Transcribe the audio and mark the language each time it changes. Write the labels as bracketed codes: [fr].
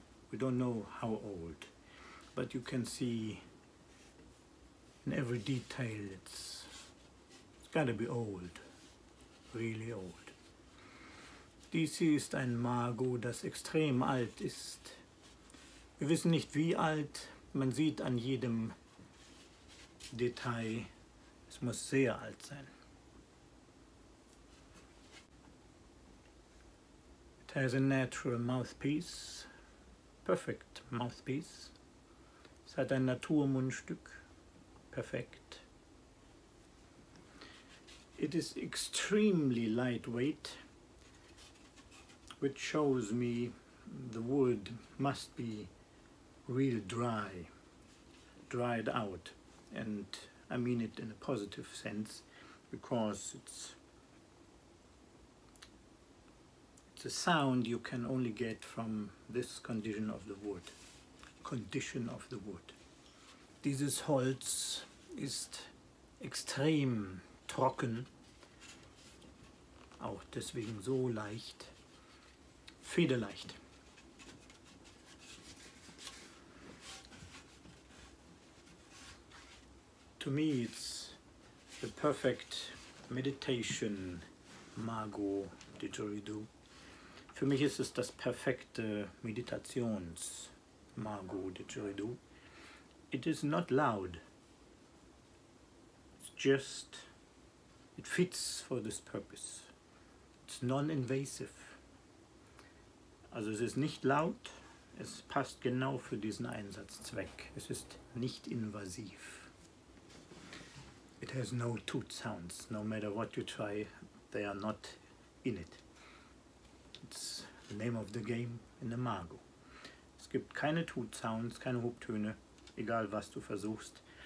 [en] We don't know how old, but you can see in every detail it's gotta be old, really old. [de] Dies ist ein Mago, das extrem alt ist. Wir wissen nicht wie alt, man sieht an jedem Detail, es muss sehr alt sein. [en] It has a natural mouthpiece, perfect mouthpiece. [de] Es hat ein Naturmundstück, perfekt. [en] It is extremely lightweight, which shows me the wood must be real dry, dried out. And I mean it in a positive sense, because it's a sound you can only get from this condition of the wood. Condition of the wood. [de] Dieses Holz ist extrem trocken, auch deswegen so leicht, federleicht. [en] To me it's the perfect meditation Mago Didgeridoo. [de] Für mich ist es das perfekte Meditations Mago Didgeridoo. [en] It is not loud. It's just, it fits for this purpose. It's non-invasive. [de] Also es ist nicht laut, es passt genau für diesen Einsatzzweck. Es ist nicht invasiv. [en] It has no tooth sounds. No matter what you try, they are not in it. It's the name of the game in the Mago. [de] Es gibt keine tooth sounds, keine Hubtöne, egal was du versuchst.